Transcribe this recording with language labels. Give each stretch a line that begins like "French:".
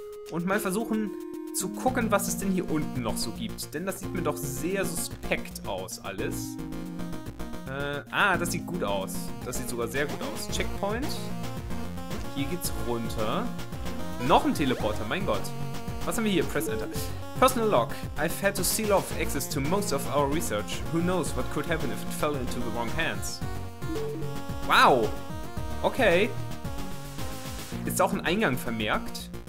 German: Und mal versuchen zu gucken, was es denn hier unten noch so gibt. Denn das sieht mir doch sehr suspekt aus, alles. Das sieht gut aus. Das sieht sogar sehr gut aus. Checkpoint. Hier geht's runter. Noch ein Teleporter, mein Gott. Was haben wir hier?
English: Press Enter. Personal Log. I've had to seal off access to most of our research. Who knows what could happen if it fell into the wrong hands. Wow. Okay.
German: Ist auch ein Eingang vermerkt.